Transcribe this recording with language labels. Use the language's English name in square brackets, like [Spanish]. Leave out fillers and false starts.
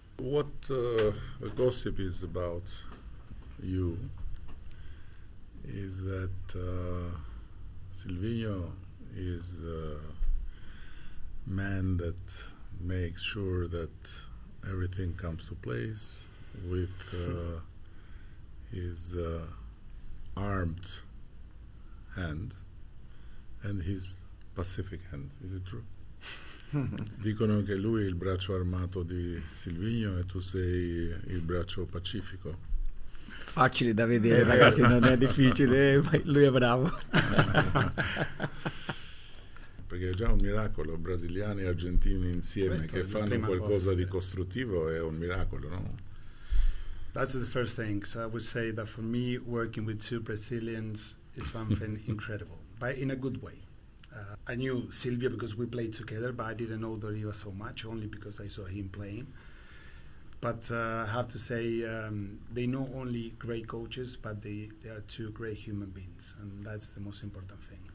[English] What the gossip is about you is that Silvino is the man that makes sure that everything comes to place with his armed hand and his pacific hand. Is it true? [Italian] Dicono che lui è il braccio armato di Silvino e tu sei il braccio pacifico. Facile da vedere, ragazzi, non è difficile, lui è bravo. Perché è già un miracolo, brasiliani e argentini insieme, questo che fanno qualcosa di costruttivo, è un miracolo, no? [English] That's the first thing. So I would say that for me, working with two Brazilians is something incredible, but in a good way. I knew Silvio because we played together, but I didn't know Doriva so much, only because I saw him playing. But I have to say, they not only great coaches, but they are two great human beings, and that's the most important thing.